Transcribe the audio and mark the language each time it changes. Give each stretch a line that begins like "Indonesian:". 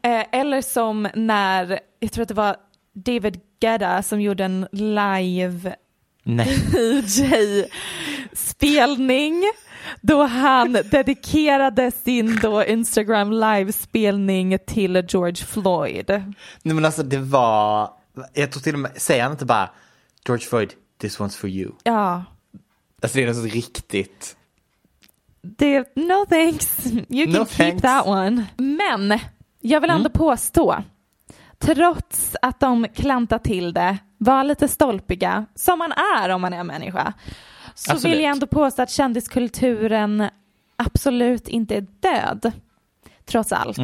Swedish: Eller som när, jag tror att det var David Guetta som gjorde en live DJ-spelning då han dedikerade sin då Instagram live-spelning till George Floyd. Nej, men alltså det var, jag tror till och med, säger han inte bara George Floyd,
English: this one's for you.
Swedish: Ja. Alltså det är något riktigt.
English: Det, no thanks, you can keep that one.
Swedish: Men jag vill ändå påstå, trots att de klantade till det, var lite stolpiga, som man är om man är människa, så absolut, vill jag ändå påstå att kändiskulturen absolut inte är död, trots allt.